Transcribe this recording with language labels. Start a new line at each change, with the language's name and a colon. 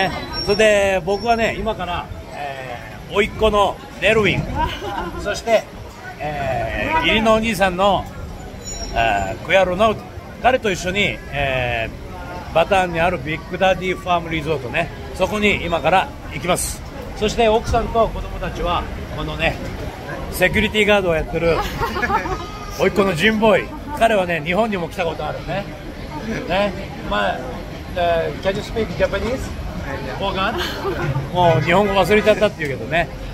Japanese: ね、それで僕はね、今から甥っ子のネルウィン、そして義理のお兄さんの、クヤロナウト、彼と一緒に、バターンにあるビッグダディファームリゾートね、そこに今から行きます。そして奥さんと子供たちはこのね、セキュリティガードをやってる甥っ子のジンボーイ、彼はね、日本にも来たことあるね。
English: ね、まあ、Can you speak Japanese?
Japanese: もうがん、もう日本語忘れちゃったって言うけどね。